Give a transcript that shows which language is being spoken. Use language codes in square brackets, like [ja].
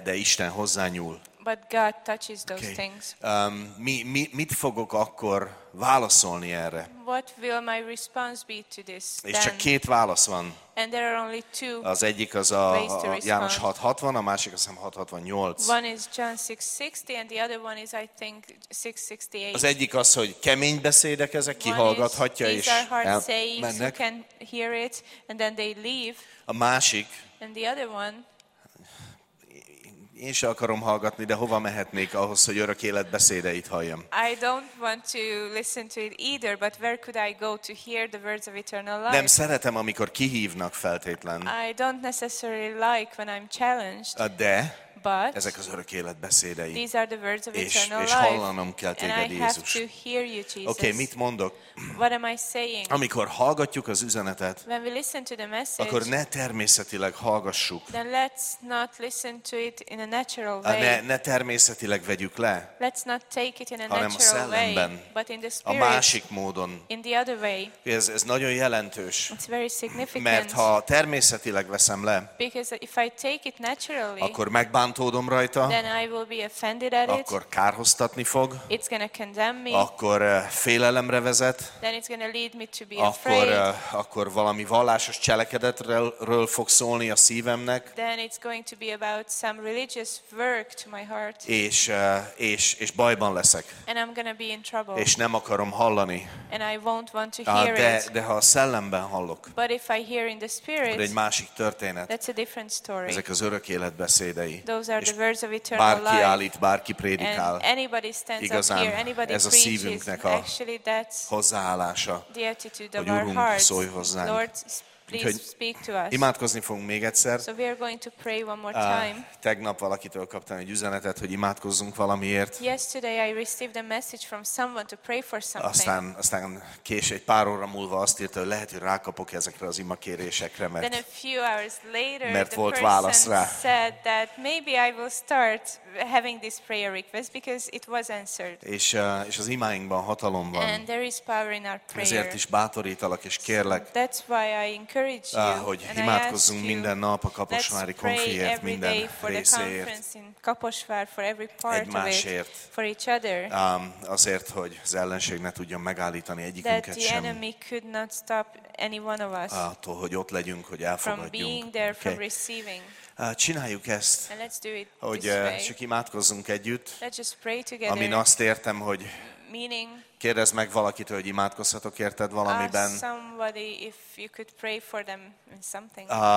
[hu] de Isten hozzányúl. [en] But God touches those okay. things. [hu] Mit fogok akkor válaszolni erre? [en] What will my response be to this? [hu] És csak két válasz van. [en] And there are only two. [hu] Az egyik az a János 6:60, a másik az 6:68. [en] One is John 6:60 and the other one is I think 6:68. [hu] Az egyik az, hogy kemény beszédek ezek, kihallgathatja is. [en] You can hear it and then they leave. [hu] A másik. [en] And the other one. [hu] Én se akarom hallgatni, de hova mehetnék ahhoz, hogy örök élet beszédeit halljam? [en] I don't want to listen to it either, but where could I go to hear the words of eternal life? [hu] Nem szeretem, amikor kihívnak feltétlen. [en] I don't necessarily like when I'm challenged. [hu] De [en] but [hu] ezek az örök élet beszédei. [en] These are the words of eternal life. [hu] És hallanom kell téged, Jézus. [en] And I have to hear you, Jesus. [hu] Okay, mit mondok? [en] What am I saying? [hu] Amikor hallgatjuk az üzenetet, [en] when we listen to the message, [hu] akkor ne természetileg hallgassuk. [en] Then let's not listen to it in a natural way. [hu] Ne természetileg vegyük le. [en] Let's not take it in a natural way, but in the spirit. [hu] A másik módon. [en] In the other way. [hu] Ez nagyon jelentős. [en] It's very significant. [hu] Mert ha természetileg veszem le, [en] because if I take it naturally, [hu] akkor megbántódom rajta, [en] then I will be offended at it. [hu] Akkor kárhoztatni fog. [en] It's gonna condemn me. [hu] Akkor félelemre vezet. [en] Then it's gonna lead me to be [hu] akkor, [en] afraid. [hu] Akkor valami vallásos cselekedetről fog szólni a szívemnek. [en] Then it's going to be about some religious work to my heart. [hu] És bajban leszek. [en] And I'm gonna be in trouble. [hu] És nem akarom hallani. [en] And I won't want to hear [hu] De ha a szellemben hallok. [en] But if I hear in the spirit. [hu] Egy másik történet. [en] That's a different story. [hu] Ezek az örök élet beszédei. [en] Those are the words of eternal [hu] bárki [en] life. [hu] Állít, bárki prédikál. [en] And anybody stands [hu] igazán, [en] up here, anybody [hu] ez [en] preaches. [hu] A szívünknek a [en] actually that's [hu] hozzáállása, [en] the attitude of [hu] hogy Urunk, szólj hozzánk. [en] Lord, please speak to us. [hu] Imádkozni fogunk még egyszer. [en] So we are going to pray one more time. [hu] Tegnap valakitől kaptam egy üzenetet, hogy imádkozzunk valamiért. [en] Yesterday I received a message from someone to pray for something. [hu] Aztán később egy pár óra múlva azt írta, hogy lehet, hogy rákapok ezekre az imakérésekre, mert [en] then a few hours later, [hu] mert volt válasz rá. [en] Said that maybe I will start having this prayer request because it was answered. [hu] És az imáinkban hatalom van. [en] And there is power in our prayer. [hu] Ezért is bátorítalak és kérlek. [en] So that's why I encourage you. [hu] Hogy imádkozzunk minden nap a kaposvári konfliért, minden részéért. [en] Kaposvár for every part [hu] egymásért. [en] Of it, for each other. [hu] Azért, hogy az ellenség ne tudjon megállítani egyikünket [en] that [hu] sem. [en] The enemy could not stop any one of us. [hu] Attól, hogy ott legyünk, hogy elfogadjunk. [en] From being there, okay. From receiving. [hu] Csináljuk ezt, [en] let's do it [hu] hogy csak imádkozzunk együtt. [en] Let's just pray together. [hu] Amin azt értem, hogy [en] meaning, [hu] kérdezd meg valakit, hogy imádkozhatok érted valamiben. [en] Ask somebody if you could pray for them in something.